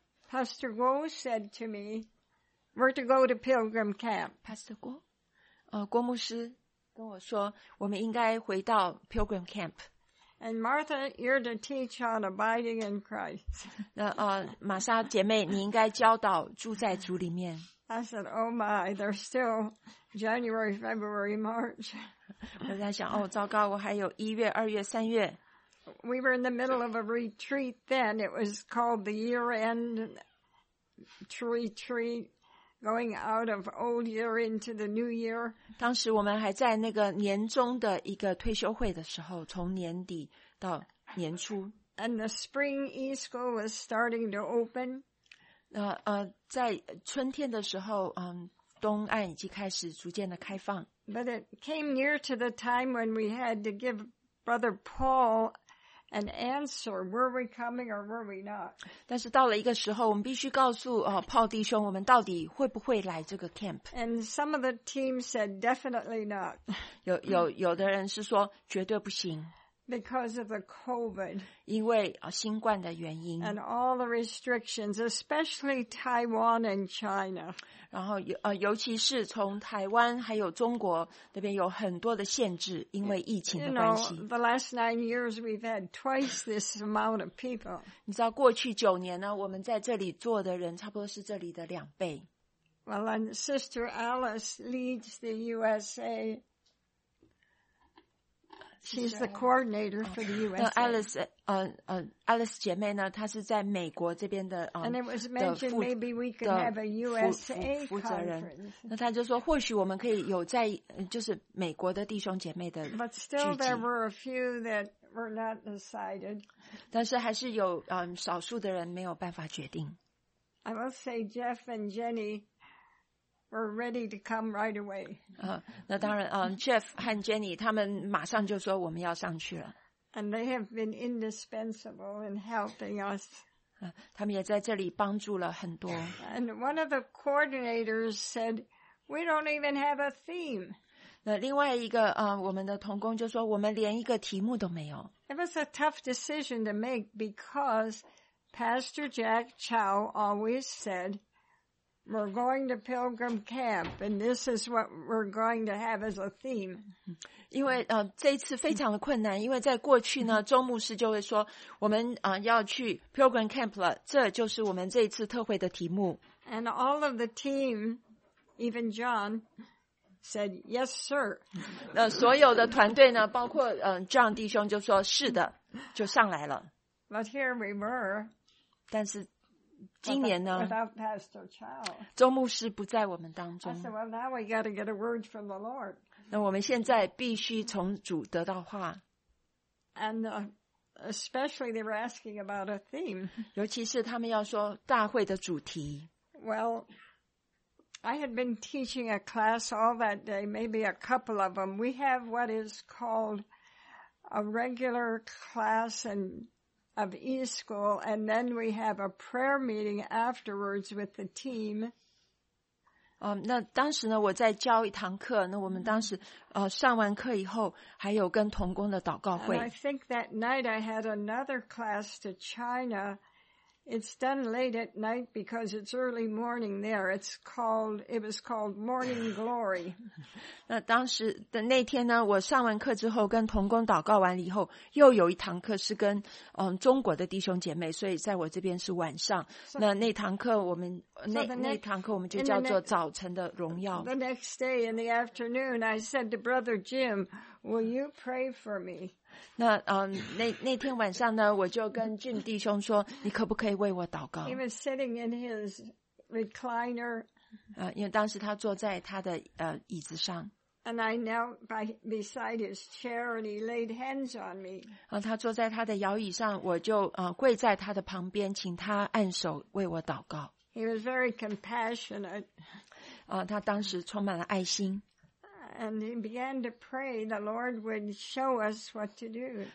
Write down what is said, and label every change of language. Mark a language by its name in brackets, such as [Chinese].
[English] ，Pastor Guo said to me, "We're to go to Pilgrim Camp." [Chinese] Pastor Guo, 郭牧师跟我说，我们应该回到 Pilgrim Camp。 [English] And Martha, you're to teach on abiding in Christ. [Chinese] 玛莎姐妹，你应该教导住在主里面。 [English] I said, "Oh my, there's still January, February, March." [Chinese] 我在想，哦，糟糕，我还有一月、二月、三月。 [English] We were in the middle of a retreat then. It was called the year-end retreat, going out of old year into the new year. [Chinese] 当时我们还在那个年终的一个退休会的时候，从年底到年初。 [English] And the spring e-school was starting to open. [Chinese] 在春天的时候，东岸已经开始逐渐的开放。 [English] But it came near to the time when we had to give Brother Paul an answer. Were we coming or were we not? [Chinese] 但是到了一个时候，我们必须告诉Paul弟兄，我们到底会不会来这个 camp? [English] And some of the team said definitely not. [Chinese] 有的人是说绝对不行。 [English] Because of the COVID. [Chinese] 因为新冠的原因。 [English] And all the restrictions, especially Taiwan and China. [Chinese] 然后尤其是从台湾还有中国那边有很多的限制，因为疫情的关系。 [English] You know, the last 9 years we've had twice this amount of people. [Chinese] 你知道过去九年呢，我们在这里坐的人差不多是这里的两倍。 [English] Well, and Sister Alice leads the USA. She's the coordinator for the USA. [Chinese] Alice 姐妹呢，她是在美国这边的 [English] And it was mentioned maybe we could have a USA conference. [Chinese] 那她就说，或许我们可以有在就是美国的弟兄姐妹的聚集。 [English] But still there were a few that were not decided. [Chinese] 但是还是有少数的人没有办法决定。 [English] I will say Jeff and Jenny were ready to come right away. [Chinese] 那当然Jeff 和 Jenny 他们马上就说我们要上去了。 [English] And they have been indispensable in helping us. [Chinese] 他们也在这里帮助了很多。 [English] And one of the coordinators said, "We don't even have a theme." [Chinese] 那另外一个我们的同工就说我们连一个题目都没有。 [English] It was a tough decision to make because Pastor Jack Chow always said, "We're going to Pilgrim Camp, and this is what we're going to have as a theme." [Chinese] 因为这一次非常的困难，因为在过去呢，周牧师就会说，我们要去 Pilgrim Camp 了，这就是我们这一次特会的题目。 [English] And all of the team, even John, said, "Yes, sir." [Chinese] 那所有的团队呢，包括John 弟兄就说，是的，就上来了。 [English] But here we were. [Chinese] 但是今年呢 [English] without Pastor Chow. [Chinese] 周牧师不在我们当中。 [English] I said, "Well, now we got to get a word from the Lord." [Chinese] 那我们现在必须从主得到话。 [English] And especially they were asking about a theme. [Chinese] 尤其是他们要说大会的主题。 [English] Well, I had been teaching a class all that day, maybe a couple of them. We have what is called a regular class and of e-school, and then we have a prayer meeting afterwards with the team. [Chinese] 那当时呢我在教一堂课，那我们当时上完课以后还有跟同工的祷告会。 [English] And I think that night I had another class to China. It's done late at night because it's early morning there. It was called Morning Glory. [Chinese] 那当时的那天呢，我上完课之后跟同工祷告完以后又有一堂课是跟中国的弟兄姐妹，所以在我这边是晚上。 [English] So, [Chinese] 那堂课我们就叫做早晨的荣耀。 [English] The next day in the afternoon, I said to Brother Jim, will you pray for me? [Chinese] 那天晚上呢，我就跟俊弟兄说，你可不可以为我祷告 [English] ？He was sitting in his recliner. [Chinese] 因为当时他坐在他的椅子上。 [English] And I knelt beside his chair, and he laid hands on me. [Chinese] 他坐在他的摇椅上，我就跪在他的旁边，请他按手为我祷告。 [English] He was very compassionate. [Chinese] 他当时充满了爱心。 [English] And he began to pray the Lord would show us what to do.